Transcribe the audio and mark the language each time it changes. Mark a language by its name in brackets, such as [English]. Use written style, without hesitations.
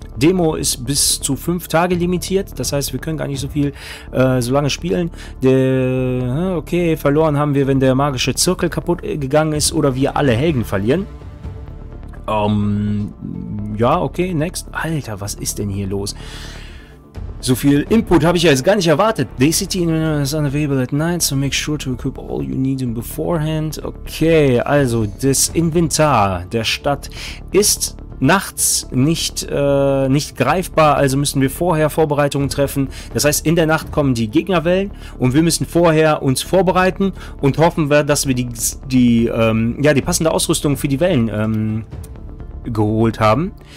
[German] Demo ist bis zu 5 Tage limitiert, das heißt, wir können gar nicht so lange spielen. Okay, verloren haben wir, wenn der magische Zirkel kaputt gegangen ist oder wir alle Helden verlieren. [English] Okay, next. [German] Alter, was ist denn hier los? So viel Input habe ich ja jetzt gar nicht erwartet. [English] The city is unavailable at night, so make sure to equip all you need in beforehand. [German] Okay, also das Inventar der Stadt ist nachts nicht greifbar, also müssen wir vorher Vorbereitungen treffen. Das heißt, in der Nacht kommen die Gegnerwellen und wir müssen vorher uns vorbereiten und hoffen, dass wir die passende Ausrüstung für die Wellen geholt haben.